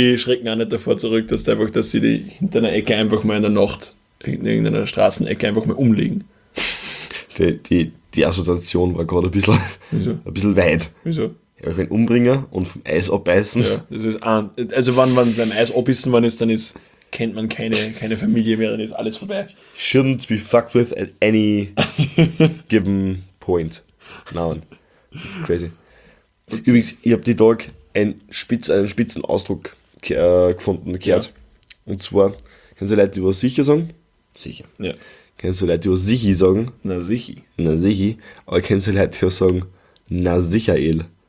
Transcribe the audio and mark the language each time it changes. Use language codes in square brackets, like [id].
[de] Die schrecken auch nicht davor zurück, dass sie hinter einer Ecke einfach mal in der Nacht, in irgendeiner Straßenecke einfach mal umlegen. Die Assoziation war gerade ein bisschen weit. Wieso? Ja, wenn Umbringer und vom Eis abbeißen. Ja, das ist also wenn beim Eis abbissen worden ist, dann ist... Kennt man keine Familie mehr, dann ist alles vorbei. [en] Shouldn't be fucked with at any given point. [de] Nein. Crazy. Übrigens, ich habe die Tag einen spitzen Ausdruck gehört. Ja. Und zwar, kennst du Leute, die was sicher sagen? Sicher. Ja. Kennst du Leute, die was sichi sagen? Na sichi. Na sichi. Aber kennst du Leute, die was sagen? Na sicherel.